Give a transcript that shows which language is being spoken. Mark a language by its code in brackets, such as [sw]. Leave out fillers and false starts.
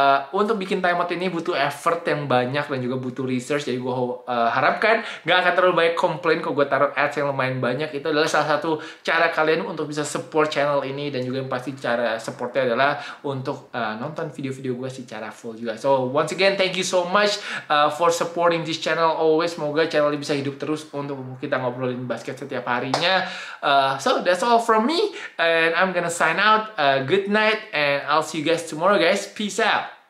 [id] Untuk bikin timeout ini butuh effort yang banyak dan juga butuh research. Jadi gue harapkan gak akan terlalu banyak komplain kalau gue taruh ads yang lumayan banyak. Itu adalah salah satu cara kalian untuk bisa support channel ini. Dan juga yang pasti cara supportnya adalah untuk nonton video-video gue secara full juga. [en] So once again thank you so much for supporting this channel always. [id] Semoga channel ini bisa hidup terus untuk kita ngobrolin basket setiap harinya. [en] So that's all from me. And I'm gonna sign out. Good night. And I'll see you guys tomorrow guys. Peace out.